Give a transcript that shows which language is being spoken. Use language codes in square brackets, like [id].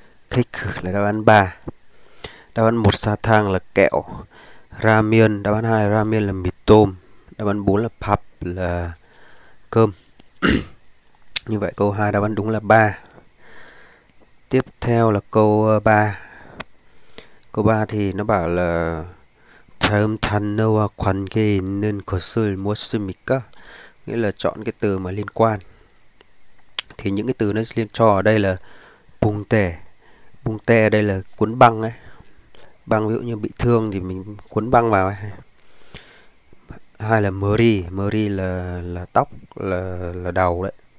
[vi] Cake là đáp án 3. Đáp án 1 sa thang là kẹo. Ramen. Đáp án 2 là ramen là mì tôm. Đáp án 4 là pub là cơm. Như vậy câu 2 đáp án đúng là 3. Tiếp theo là câu 3. Câu 3 thì nó bảo là [ko] 다음 단어와 관계 있는 것을 무엇입니까? [vi] Nghĩa là chọn cái từ mà liên quan. Thì những cái từ nó liên cho ở đây là bùng tè. Bùng tè ở đây là cuốn băng ấy. Băng ví dụ như bị thương thì mình cuốn băng vào ấy. Hai là Mary, Mary là tóc là đầu đấy.